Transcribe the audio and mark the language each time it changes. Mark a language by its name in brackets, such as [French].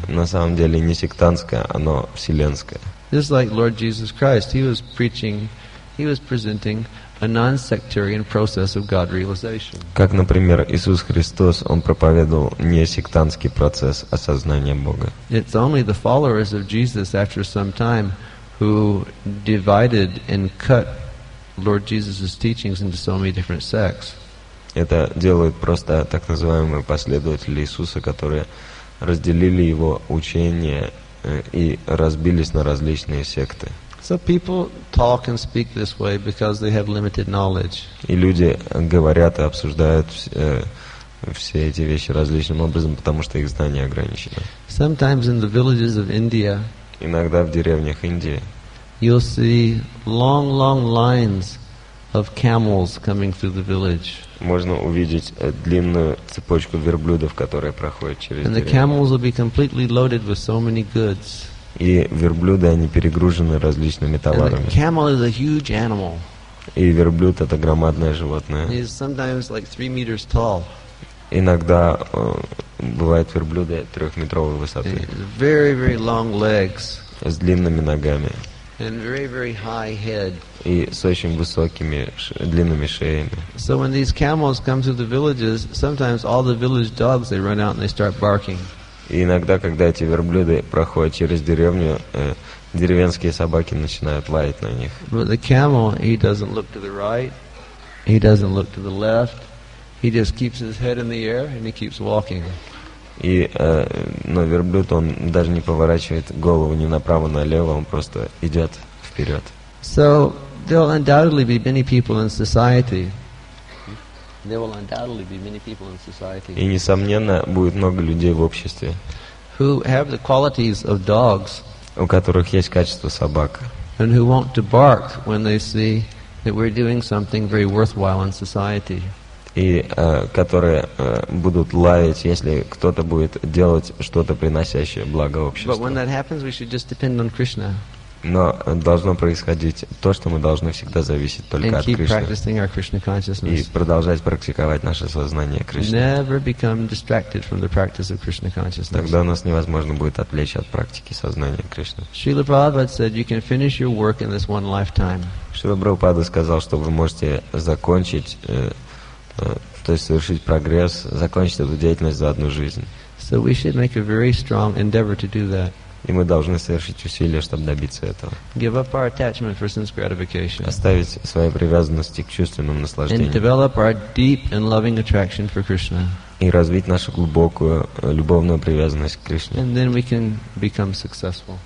[Russian] На самом деле не сектантское, оно вселенское. [English] This is like Lord Jesus Christ. He was preaching, he was presenting a non-sectarian process of God realization. [Russian] Как, например, Иисус Христос, он проповедовал не сектантский процесс осознания Бога. [English] It's only the followers of Jesus after some time who divided and cut Lord Jesus' teachings into so many different sects. [Russian] Это делают просто так называемые последователи Иисуса, которые разделили его учение и разбились на различные секты. [English] So people talk and speak this way because they have limited knowledge. [Russian] И люди говорят и обсуждают все эти вещи различным образом, потому что их знания ограничены. [English] Sometimes in the villages of India. [Russian] Иногда в деревнях Индии. [English] You'll see long, long lines of camels coming through the village. [Russian] Можно увидеть длинную цепочку верблюдов, которые проходят через деревню. [English] And the camels will be completely loaded with so many goods. [Russian] И верблюды, они перегружены различными товарами. [English] And the camel is a huge animal. [Russian] И верблюд — это громадное животное. [English] He is sometimes like 3 meters tall. [Russian] Иногда бывают верблюды 3-метровой высоты. [English] Very, very long legs. [Russian] С длинными ногами. [English] And very, very high head. [Russian] И с очень высокими длинными шеями. [English] So when these camels come through the villages, sometimes all the village dogs they run out and they start barking. [Russian] И иногда, когда эти верблюды проходят через деревню, деревенские собаки начинают лаять на них. [English] But the camel, he doesn't look to the right, he doesn't look to the left, he just keeps his head in the air and he keeps walking. [Russian] И но верблюд, он даже не поворачивает голову ни направо, ни налево, он просто идет вперед. [English] So there will undoubtedly be many people in society. There will undoubtedly be many people in society. [Russian] И несомненно будет много людей в обществе. [English] Who have the qualities of dogs? [Russian] У которых есть качество собак. [English] And who want to bark when they see that we're doing something very worthwhile in society. [Russian] И которые будут лаять, если кто-то будет делать что-то, приносящее благо обществу. [English] But when that happens, we should just depend on Krishna. [Russian] Но должно происходить то, что мы должны всегда зависеть только [English] and keep [Russian] от Кришны. [English] Our Krishna consciousness. [Russian] И продолжать практиковать наше сознание Кришны. [English] Never become distracted from the practice of Krishna consciousness. [Russian] Тогда нас невозможно будет отвлечь от практики сознания Кришны. [English] Srila Prabhupada said, you can finish your work in this one lifetime. [Russian] Srila Prabhupada сказал, что вы можете закончить то есть совершить прогресс, закончить эту деятельность за одну жизнь. [English] So we should make a very strong endeavor to do that. [Russian] И мы должны совершить усилия, чтобы добиться этого. [English] Give up our attachment for sense gratification. [Russian] Оставить свои привязанности к чувственным наслаждениям. [English] And develop our deep and loving attraction for Krishna. [Russian] И развить нашу глубокую любовную привязанность к Кришне. [English] And then we can become successful.